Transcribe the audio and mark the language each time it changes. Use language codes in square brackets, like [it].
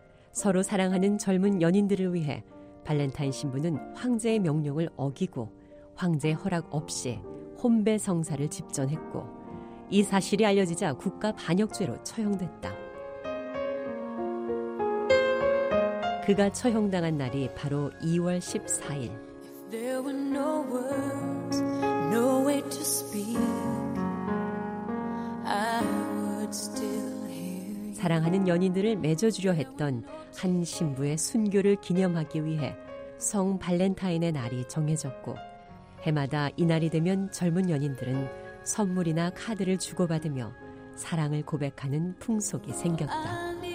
[ko] 서로 사랑하는 젊은 연인들을 위해 발렌타인 신부는 황제의 명령을 어기고 황제의 허락 없이 혼배 성사를 집전했고, 이 사실이 알려지자 국가 반역죄로 처형됐다. 그가 처형당한 날이 바로 2월 14일. [en] If there were no words, no way to speak, I would still hear you. [ko] 사랑하는 연인들을 맺어주려 했던 한 신부의 순교를 기념하기 위해 성 발렌타인의 날이 정해졌고, 해마다 이날이 되면 젊은 연인들은 선물이나 카드를 주고받으며 사랑을 고백하는 풍속이 생겼다.